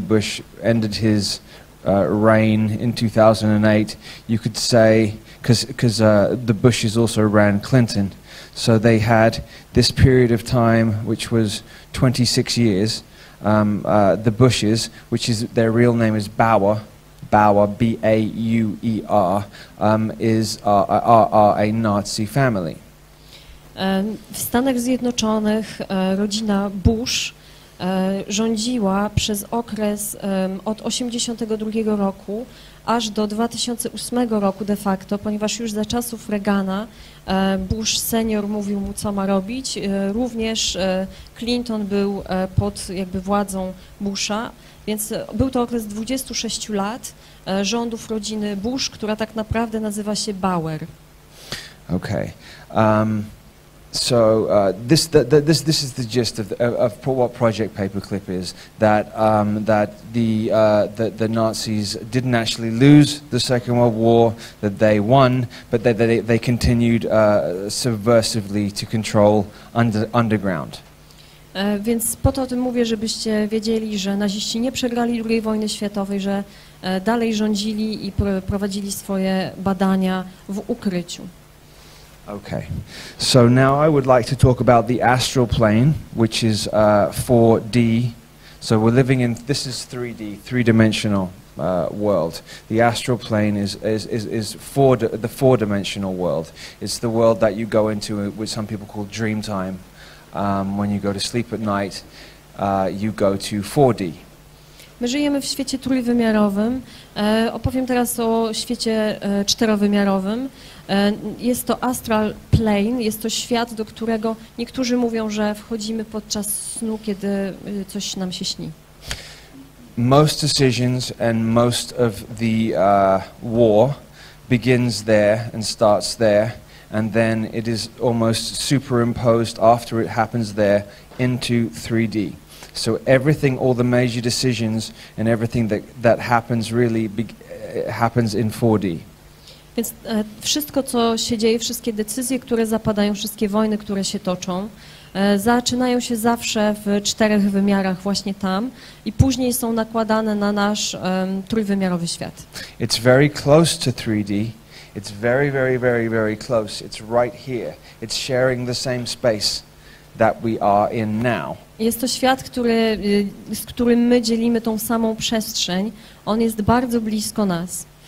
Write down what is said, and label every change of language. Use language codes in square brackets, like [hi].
[en] Bush ended his reign in 2008, you could say, because the Bushes also ran Clinton, so they had this period of time, which was 26 years, the Bushes, which is their real name is Bauer, B-A-U-E-R, are a Nazi family. [pl] W Stanach Zjednoczonych rodzina Bush rządziła przez okres od 1982 roku aż do 2008 roku de facto, ponieważ już za czasów Reagana Bush senior mówił mu, co ma robić. Również Clinton był pod jakby władzą Busha, więc był to okres 26 lat rządów rodziny Bush, która tak naprawdę nazywa się Bauer. Okej. [en] So this is the gist of what Project Paperclip is, that the Nazis didn't actually lose the Second World War, that they won, but they continued subversively to control underground. [pl] Więc po to o tym mówię, żebyście wiedzieli, że naziści nie przegrali II wojny światowej, że dalej rządzili i prowadzili swoje badania w ukryciu. [en] Okay, so now I would like to talk about the astral plane, which is 4D. So we're living in, this is 3D, three-dimensional world. The astral plane is the four-dimensional world. It's the world that you go into, what some people call dream time. When you go to sleep at night, you go to 4D. [pl] My żyjemy w świecie trójwymiarowym. Opowiem teraz o świecie czterowymiarowym. Jest to astral plane, jest to świat, do którego niektórzy mówią, że wchodzimy podczas snu, kiedy coś nam się śni. [en] Most decisions and most of the war begins there and starts there, and then it is almost superimposed after it happens there into 3D. So everything, all the major decisions and everything that happens really happens in 4D. [pl] Więc wszystko, co się dzieje, wszystkie decyzje, które zapadają, wszystkie wojny, które się toczą, zaczynają się zawsze w czterech wymiarach właśnie tam i później są nakładane na nasz trójwymiarowy świat. [en] It's very close to 3D. It's very, very, very, very close. It's right here. It's sharing the same space that we are in now. [pl] Jest to świat, z którym my dzielimy tą samą przestrzeń. On jest bardzo blisko nas.